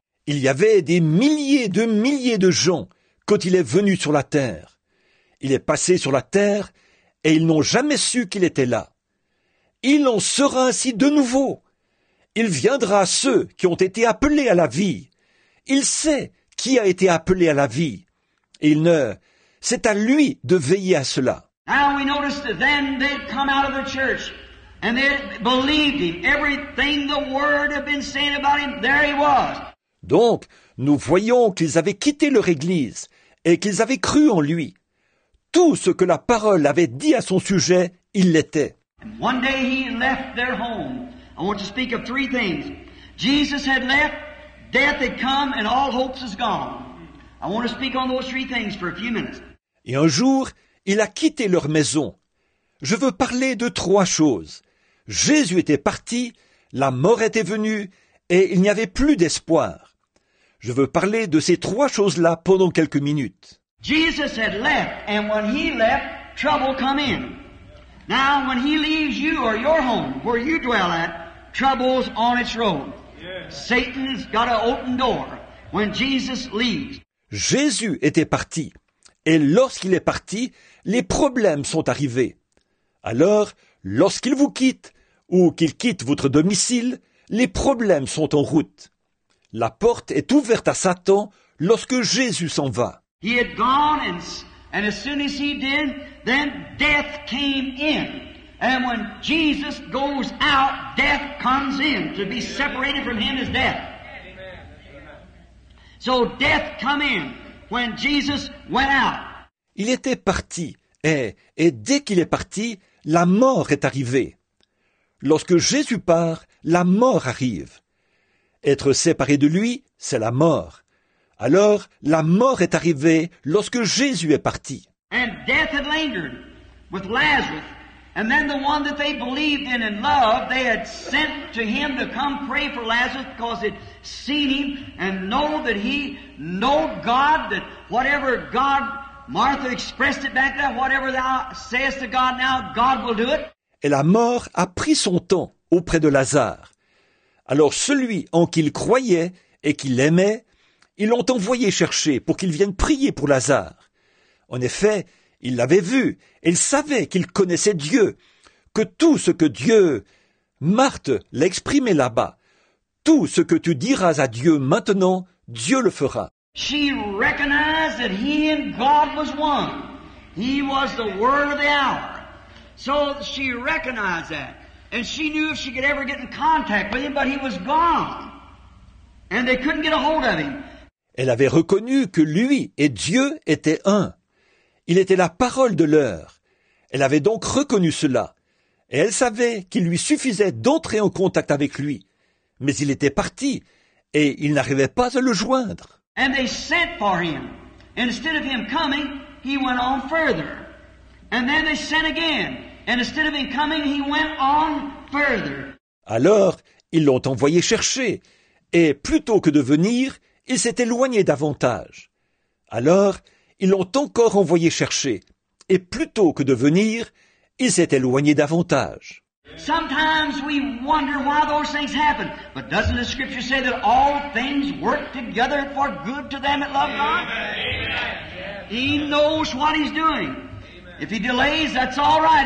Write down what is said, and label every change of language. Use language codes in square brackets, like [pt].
[fr] Il y avait des milliers de gens quand il est venu sur la terre. Il est passé sur la terre et ils n'ont jamais su qu'il était là. Il en sera ainsi de nouveau. Il viendra à ceux qui ont été appelés à la vie. Il sait qui a été appelé à la vie. Et il ne... C'est à lui de veiller à cela. [en] Now we noticed that then they'd come out of the church and they believed him. Everything the word had been saying about him, there he was. [fr] Donc, nous voyons qu'ils avaient quitté leur église et qu'ils avaient cru en lui. Tout ce que la parole avait dit à son sujet, il l'était. [en] And one day he left their home. I want to speak of three things. Jesus had left, death had come, and all hopes is gone. I want to speak on those three things for a few minutes. [fr] Et un jour, il a quitté leur maison. Je veux parler de trois choses. Jésus était parti, la mort était venue, et il n'y avait plus d'espoir. Je veux parler de ces trois choses-là pendant quelques minutes. [en] Jesus had left, and when he left, trouble come in. Now, when he leaves you or your home, where you dwell at, trouble's on its road. Yes. Satan's got an open door when Jesus leaves. [fr] Jésus était parti. Et lorsqu'il est parti, les problèmes sont arrivés. Alors, lorsqu'il vous quitte, ou qu'il quitte votre domicile, les problèmes sont en route. La porte est ouverte à Satan lorsque Jésus s'en va. [en] He had gone and as soon as he did, then death came in. And when Jesus goes out, death comes in. To be separated from him is death. So death come in when Jesus went out. [fr] Il était parti, et dès qu'il est parti, la mort est arrivée. Lorsque Jésus part, la mort arrive. Être séparé de lui, c'est la mort. Alors, la mort est arrivée lorsque Jésus est parti. [en] And death had lingered with Lazarus. And then the one that they believed in and loved, they had sent to him to come pray for Lazarus because they'd seen him and know that he know God, that whatever God, Martha expressed it back then, whatever thou sayest to God now, God will do it. [fr] Et la mort a pris son temps auprès de Lazare. Alors celui en qui il croyait et qui l'aimait, ils l'ont envoyé chercher pour qu'il vienne prier pour Lazare. En effet, il l'avait vu, et il savait qu'il connaissait Dieu, que tout ce que Dieu... Marthe l'a exprimé là-bas. Tout ce que tu diras à Dieu maintenant, Dieu le fera. [en] She recognized that he and God was one. He was the word of the hour. So she recognized that. And she knew if she could ever get in contact with him, but he was gone. And they couldn't get a hold of him. [fr] Elle avait reconnu que lui et Dieu étaient un. Il était la parole de l'heure. Elle avait donc reconnu cela. Et elle savait qu'il lui suffisait d'entrer en contact avec lui. Mais il était parti et il n'arrivait pas à le joindre. [en] And they sent for him. Instead of him coming, he went on further. And then they sent again. And instead of him coming, he went on further. [fr] Alors, ils l'ont envoyé chercher. Et plutôt que de venir, il s'est éloigné davantage. Alors, ils l'ont encore envoyé chercher. Et plutôt que de venir, il s'est éloigné davantage. [en] Sometimes we wonder why those things happen. But doesn't the scripture say that all things work together for good to them that love God? Amen. He knows what he's doing. If he delays, that's all right.